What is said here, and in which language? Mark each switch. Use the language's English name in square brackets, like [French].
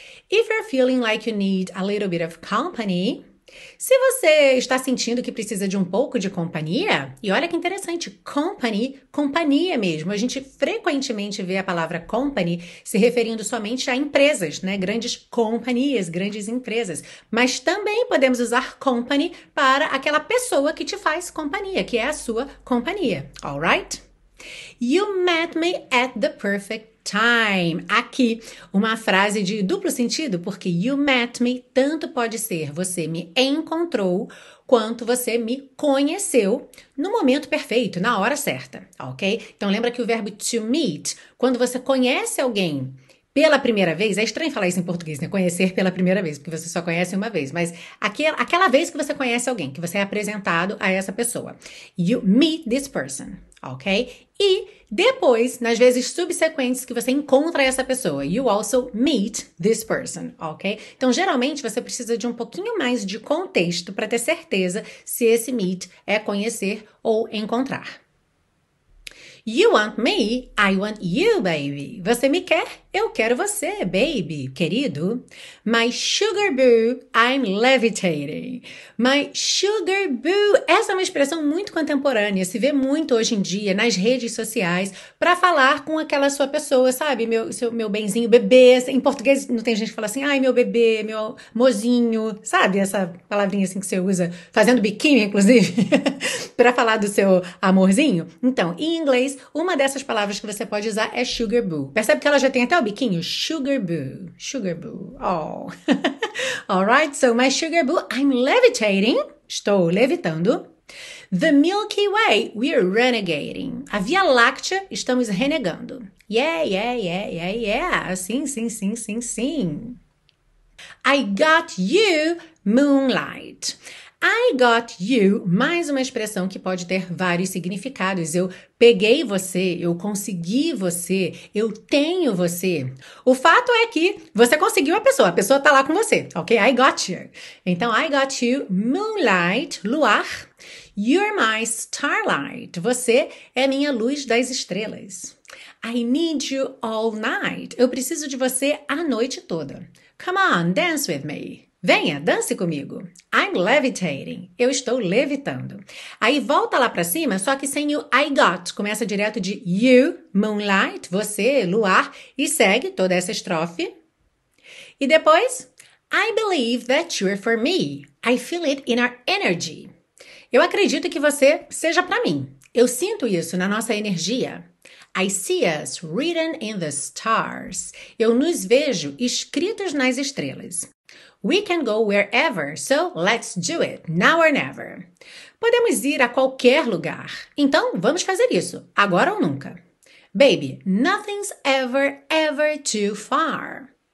[English] If you're feeling like you need a little bit of company, [Portuguese] se você está sentindo que precisa de um pouco de companhia, e olha que interessante, company, companhia mesmo. A gente frequentemente vê a palavra company se referindo somente a empresas, né? Grandes companhias, grandes empresas. Mas também podemos usar company para aquela pessoa que te faz companhia, que é a sua companhia. [English] All right? You met me at the perfect time. [Portuguese] Aqui, uma frase de duplo sentido, porque [English] you met me [Portuguese] tanto pode ser você me encontrou, quanto você me conheceu no momento perfeito, na hora certa, ok? Então, lembra que o verbo to meet, quando você conhece alguém pela primeira vez, é estranho falar isso em português, né? Conhecer pela primeira vez, porque você só conhece uma vez. Mas aquela vez que você conhece alguém, que você é apresentado a essa pessoa. [English] You meet this person, ok? [Portuguese] E depois, nas vezes subsequentes que você encontra essa pessoa, [English] you also meet this person, ok? [Portuguese] Então, geralmente, você precisa de um pouquinho mais de contexto para ter certeza se esse meet é conhecer ou encontrar. [English] You want me, I want you, baby. [Portuguese] Você me quer, eu quero você, baby, querido. [English] My sugar boo, I'm levitating. My sugar boo. [Portuguese] Essa é uma expressão muito contemporânea, se vê muito hoje em dia nas redes sociais para falar com aquela sua pessoa, sabe? Meu benzinho, bebê. Em português não tem gente que fala assim, ai, meu bebê, meu mozinho, sabe? Essa palavrinha assim que você usa, fazendo biquíni, inclusive, para falar do seu amorzinho. Então, em inglês, uma dessas palavras que você pode usar é sugar boo. Percebe que ela já tem até o biquinho? [English] Sugar boo. Sugar boo. Oh. Alright, so my sugar boo, I'm levitating. [Portuguese] Estou levitando. [English] The Milky Way, we're renegating. [Portuguese] A Via Láctea, estamos renegando. [English] Yeah, yeah, yeah, yeah, yeah. [Portuguese] Sim, sim, sim, sim, sim. [English] I got you, moonlight. [Portuguese] I got you, mais uma expressão que pode ter vários significados. Eu peguei você, eu consegui você, eu tenho você. O fato é que você conseguiu a pessoa tá lá com você, ok? I got you. Então, [English] I got you, moonlight, [Portuguese] luar. [English] You're my starlight, [Portuguese] você é minha luz das estrelas. [English] I need you all night, [Portuguese] eu preciso de você a noite toda. [English] Come on, dance with me. [Portuguese] Venha, dance comigo. [English] I'm levitating. [Portuguese] Eu estou levitando. Aí volta lá pra cima, só que sem o I got. Começa direto de you, moonlight, você, luar, e segue toda essa estrofe. E depois, [English] I believe that you're for me. I feel it in our energy. [Portuguese] Eu acredito que você seja pra mim. Eu sinto isso na nossa energia. [English] I see us written in the stars. [Portuguese] Eu nos vejo escritos nas estrelas. [English] We can go wherever, so let's do it, now or never. [Portuguese] Podemos ir a qualquer lugar. Então, vamos fazer isso, agora ou nunca. [English] Baby, nothing's ever, ever too far.